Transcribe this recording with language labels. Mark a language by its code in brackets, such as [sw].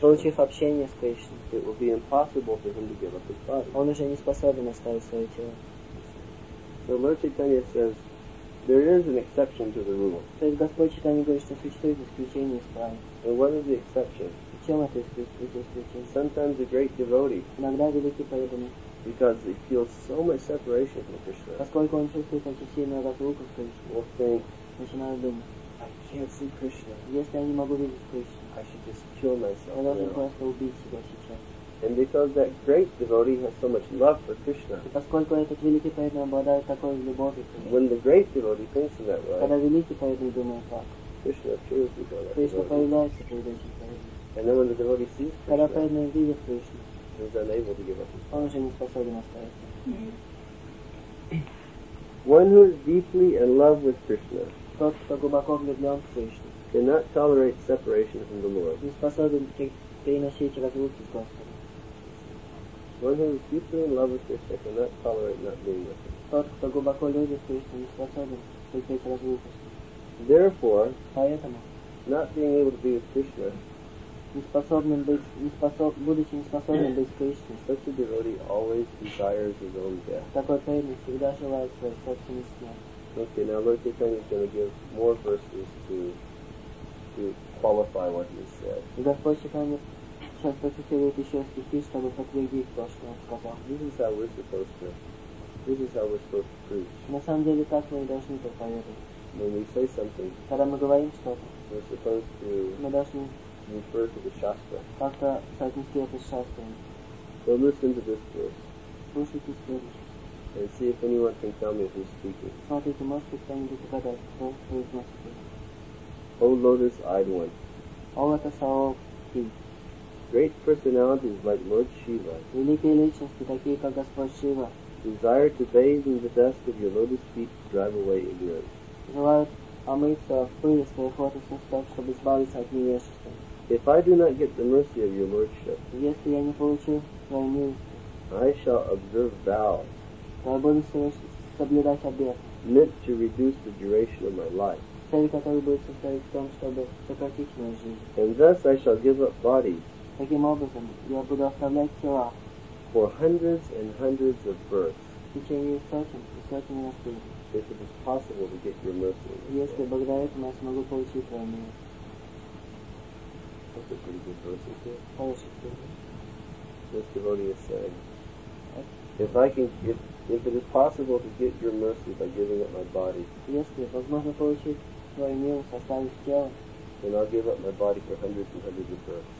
[ru] получив общение с Кришной, [en] it will be impossible for him to give up his body. [ru] Он уже не способен оставить свое тело. [en] So Lord Chaitanya says, there is an exception to the rule. [ru] То есть Господь Чайтанья говорит, что существует исключение из правил. [en] So what is the exception? [ru] И чем это исключение? [en] Sometimes a great devotee. [ru] Иногда великий преданный. [en] Because he feels so much separation from Krishna. [ru] Поскольку он чувствует такую сильную разлуку с Кришной. [en] Will think. [ru] Начинает думать. [en] I can't see Krishna. [ru] Если я не могу видеть Кришну, [en] I should just kill myself. [ru] Я должен просто убить себя сейчас. [en] And because that great devotee has so much love for Krishna, [ru] и поскольку этот великий преданный обладает такой любовью к Кришне, [en] when the great devotee thinks in that way, [ru] когда великий преданный думает так, [en] Krishna appears before that Krishna devotee. [ru] Появляется перед этим преданным. [en] And then when the devotee sees Krishna, [ru] когда преданный видит Кришну, [en] he is unable to give up his [ru] heart. Он уже не способен оставить. [en] One who is deeply in love with Krishna, [ru] тот, кто глубоко влюблен в Кришну, [en] cannot tolerate separation from the Lord. [ru] Не способен переносить разлуки с Господом. [en] One who is deeply in love with Krishna cannot tolerate not being with him. [ru] Тот, кто глубоко любит Кришну, не способен терпеть разлуку с ним. [en] Therefore, [ru] поэтому, [en] not being able to be with Krishna, [ru] будучи неспособным быть с Кришной, [en] such a devotee always desires his own death. [ru] Такой преданный всегда желает своей собственной смерти. [en] Okay, now Lord Chaitanya is going to give more verses to qualify what he said. [ru] Господь Чайтанья сейчас процитирует еще стихи, чтобы подтвердить то, что он сказал. [en] This is how we're supposed to preach. [ru] На самом деле, так мы и должны проповедовать. [en] When we say something, [ru] когда мы говорим что-то, [en] we're supposed to refer to the Shastra. [ru] Как-то соотнести это с Шастрами. [en] So listen to this verse. [ru] Слушайте следующее. [en] And see if anyone can tell me who's speaking. [ru] Смотрите, можете кто-нибудь угадать, кто из нас [en] speaking. O lotus-eyed one. [ru] О, это Саоки. [en] Great personalities like Lord Shiva. [ru] Великие личности, такие как Господь Шива. [en] Desire to bathe in the dust of your lotus feet to drive away ignorance. [ru] Желают омыться в пыли своих лотосных стоп, чтобы избавиться от невежества. [en] If I do not get the mercy of your lordship, [ru] если я не получу твою милость, [en] I shall observe vows. [ru] Я буду соблюдать обет. [en] Meant to reduce the duration of my life. [ru] Цель, которая будет состоять в том, чтобы сократить мою жизнь. [en] And thus I shall give up body. [ru] Таким образом, я буду оставлять тела. [en] For hundreds and hundreds of births. [ru] В течение сотен и сотен лет. [en] If it is possible to get your mercy. [ru] Если благодаря этому я смогу получить твою милость. [en] That's a pretty good verse, isn't it? This devotee is saying, if it is possible to get your mercy by giving up my body, then I'll give up my body for hundreds and hundreds of births.